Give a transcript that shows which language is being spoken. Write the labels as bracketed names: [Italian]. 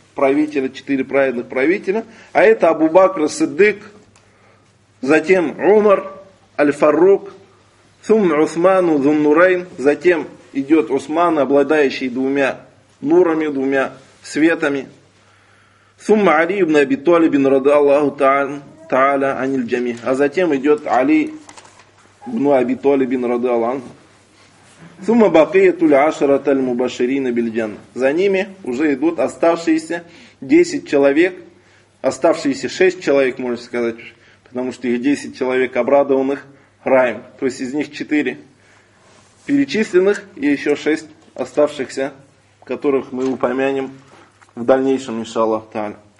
[Russian] Правителя, 4 праведных правителя. А это Абу Бакр Сиддик, затем Умар Аль-Фаррук, Сум Усману Зуннурейн, затем идет Усман, обладающий двумя нурами, двумя светами. [Arabic] ثم علي ابن ابي طالب رضي الله تعالى عن الجميع. [Russian] А затем идёт Али ибн Аби Талиб радиаллаху анху. [Arabic] ثم بقيه العشرة المبشرين بالجنة. [Russian] За ними уже идут оставшиеся 10 человек, оставшиеся 6 человек, можно сказать, потому что их 10 человек обрадованных раем. То есть из них 4 перечисленных и ещё 6 оставшихся, которых мы упомянем в дальнейшем, иншаллах тааля.